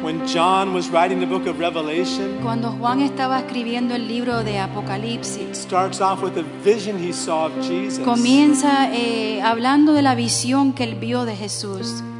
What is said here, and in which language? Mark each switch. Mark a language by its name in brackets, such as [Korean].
[English] When John was writing the book of Revelation, [Spanish] cuando Juan estaba escribiendo el libro de Apocalipsis, [English] it starts off with a vision he saw of Jesus. [Spanish] Comienza hablando de la visión que él vio de Jesús.